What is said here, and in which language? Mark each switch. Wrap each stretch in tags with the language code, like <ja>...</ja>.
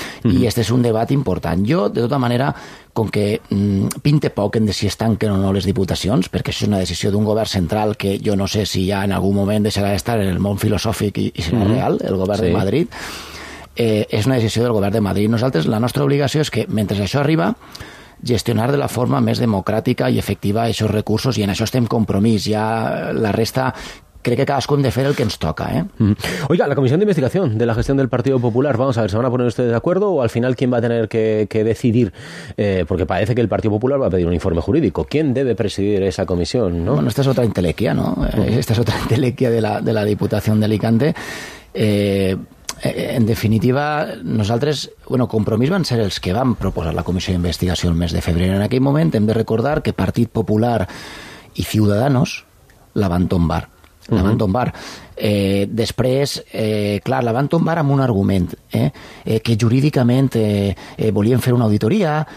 <ca>I este és un debat important. Jo, de tota manera, com que pinte poc en de si es tanquen o no les diputacions, perquè això és una decisió d'un govern central que jo no sé si ja en algun moment deixarà d'estar en el món filosòfic i serà real, el govern de Madrid, és una decisió del govern de Madrid. Nosaltres, la nostra obligació és que, mentre això arriba, gestionar de la forma més democràtica i efectiva aquests recursos, i en això estem compromís. Ja la resta</ca> <es>cree que cadascú defiende el que nos toca, ¿eh? Oiga, la comisión de investigación de la gestión del Partido Popular, vamos a ver, ¿se van a poner ustedes de acuerdo o al final quién va a tener que decidir? Porque parece que el Partido Popular va a pedir un informe jurídico. ¿Quién debe presidir esa comisión, ¿no? Bueno, esta es otra entelequia, ¿no? Esta es otra entelequia de la Diputación de Alicante.</es> <ca>En definitiva, nosaltres, bueno, Compromís van ser els que van proposar la comissió d'investigació el mes de febrer. En aquell moment hem de recordar que Partit Popular i Ciudadanos la van tombar. La van tombar. Després, la van tombar amb un argument, que jurídicament volien fer una auditoria.</ca>